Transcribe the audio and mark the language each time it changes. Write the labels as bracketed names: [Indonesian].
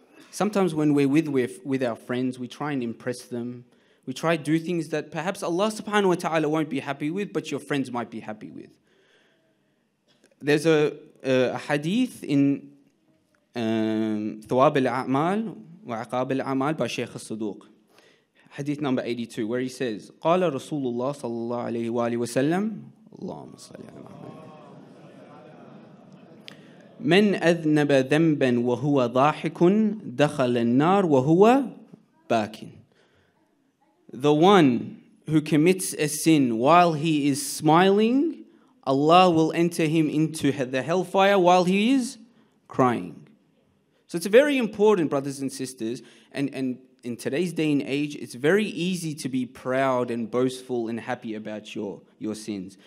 [English] Sometimes when we're with our friends, we try and impress them. We try to do things that perhaps Allah subhanahu wa ta'ala won't be happy with, but your friends might be happy with. There's a hadith in Thawab al-A'mal wa Aqab al-A'mal by Sheikh Al-Saduq. Hadith number 82, where he says, [Arabic] قال رسول الله صلى الله عليه وآله وسلم اللهم صلى الله عليه وسلم من أذنب ذنبا وهو ضاحك دخل النار وهو باكٍ. [English] The one who commits a sin while he is smiling, Allah will enter him into the hellfire while he is crying. So it's very important, brothers and sisters, and in today's day and age, it's very easy to be proud and boastful and happy about your sins.